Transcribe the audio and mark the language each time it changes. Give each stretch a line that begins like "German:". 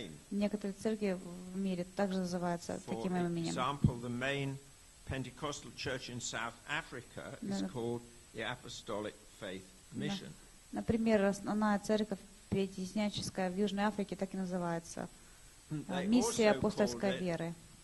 Russian: Некоторые церкви в мире также называются таким именем.
English: Example, the main Pentecostal church in South Africa is called the Apostolic Faith Mission.
Russian: Например, основная церковь пятидесятническая в Южной Африке так и называется миссия апостольской веры.